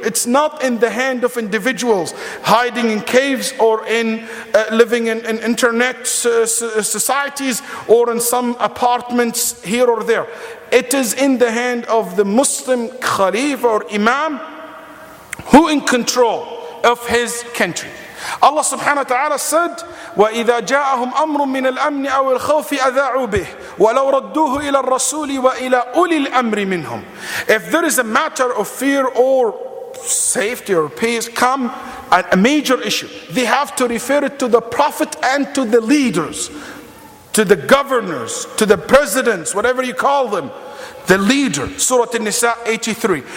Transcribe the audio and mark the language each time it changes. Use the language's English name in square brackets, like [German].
[English] It's not in the hand of individuals hiding in caves or in living in internet societies or in some apartments here or there. It is in the hand of the Muslim Khalifa or Imam, who in control of his country. Allah subhanahu wa ta'ala said, [Arabic] وَإِذَا جَاءَهُمْ أَمْرٌ مِّنَ الْأَمْنِ أَوِ الْخَوْفِ أَذَاعُوا بِهِ وَلَوْ رَدُّوهُ إِلَى الرَّسُولِ وَإِلَى أُولِي الْأَمْرِ مِنْهُمْ. [English] If there is a matter of fear or safety or peace, come a major issue, they have to refer it to the Prophet and to the leaders, to the governors, to the presidents, whatever you call them, the leader, Surah An-Nisa 83.